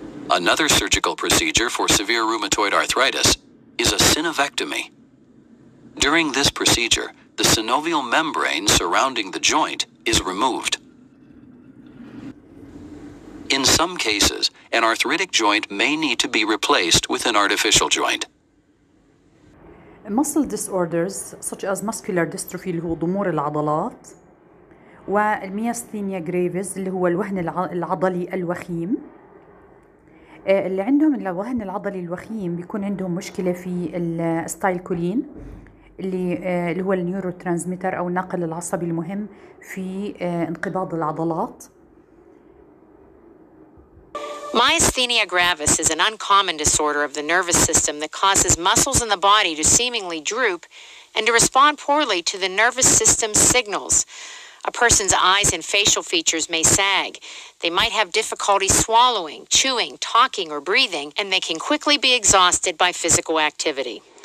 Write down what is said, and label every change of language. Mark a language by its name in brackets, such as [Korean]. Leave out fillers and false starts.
[English] Another surgical procedure for severe rheumatoid arthritis is a synovectomy. During this procedure, the synovial membrane surrounding the joint is removed. In some cases, an arthritic joint may need to be replaced with an artificial joint. Muscle disorders such as muscular dystrophy [Arabic] اللي هو ضمور العضلات والميستينيا جريفز اللي هو الوهن العضلي الوخيم اللي عندهم الوهن العضلي الوخيم بيكون عندهم مشكلة في الستايلكولين اللي هو النيورو ترانسميتر أو الناقل العصبي المهم في انقباض العضلات. [English] Myasthenia gravis is an uncommon disorder of the nervous system that causes muscles in the body to seemingly droop and to respond poorly to the nervous system's signals. A person's eyes and facial features may sag. They might have difficulty swallowing, chewing, talking, or breathing, and they can quickly be exhausted by physical activity.